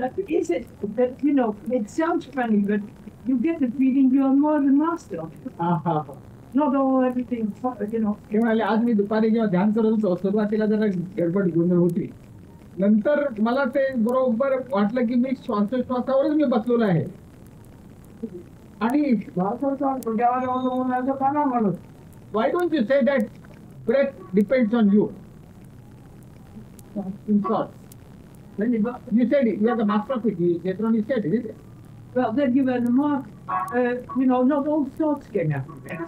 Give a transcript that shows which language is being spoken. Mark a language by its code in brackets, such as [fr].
[en] Is it that, you know, it sounds funny, but you get the feeling you are more the master. Not all everything, you know. [mr] केवळ आज मी दुपारी जेव्हा ध्यान करत होतो सुरुवातीला जरा गडबड गोंधळ होती. नंतर मला ते बरोबर वाटलं की मी श्वासोश्वासावरच मी बसलेलो आहे. [en] आणि Why don't you say that breath depends on you? In short. You said it, you are the master of it, later on you said it, isn't it? Well, then you were the master. You know, not all thoughts came out of breath.